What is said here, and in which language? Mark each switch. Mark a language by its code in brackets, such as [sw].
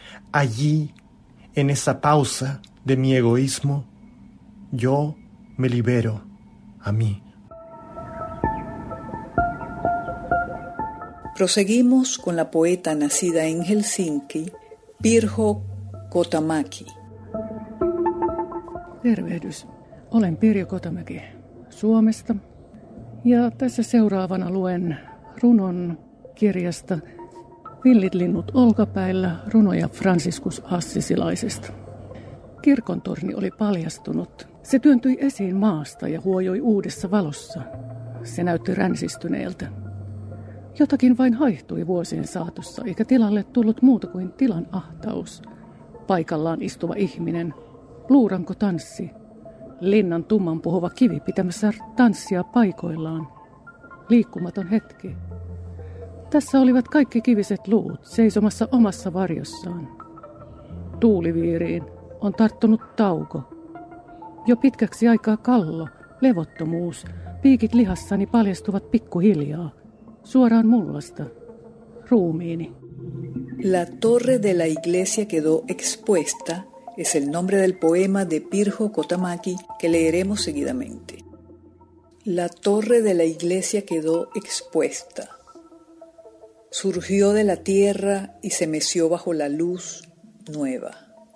[es] Allí, en esa pausa de mi egoísmo, yo me libero a mí. Proseguimos con la poeta nacida en Helsinki, Pirho Kotamäki. [fi] Tervehdys. Olen Pirjo Kotamäki Suomesta. Ja tässä seuraavana luen runon kirjasta Villit linnut olkapäillä, runoja Franciscus Assisilaisesta. Kirkontorni oli paljastunut. Se työntyi esiin maasta ja huojoi uudessa valossa. Se näytti ränsistyneeltä. Jotakin vain haihtui vuosien saatossa, eikä tilalle tullut muuta kuin tilan ahtaus. Paikallaan istuva ihminen, luuranko tanssi, linnan tumman puhuva kivi pitämässä tanssia paikoillaan. Liikkumaton hetki. Tässä olivat kaikki kiviset luut seisomassa omassa varjossaan. Tuuliviiriin on tarttunut tauko. Jo pitkäksi aikaa kallo, levottomuus, piikit lihassani paljastuvat pikkuhiljaa. Suoraan mullasta, ruumiini. [es] La torre de la iglesia quedó expuesta es el nombre del poema de Pirho Kotamäki que leeremos seguidamente. La torre de la iglesia quedó expuesta. Surgió de la tierra y se meció bajo la luz nueva.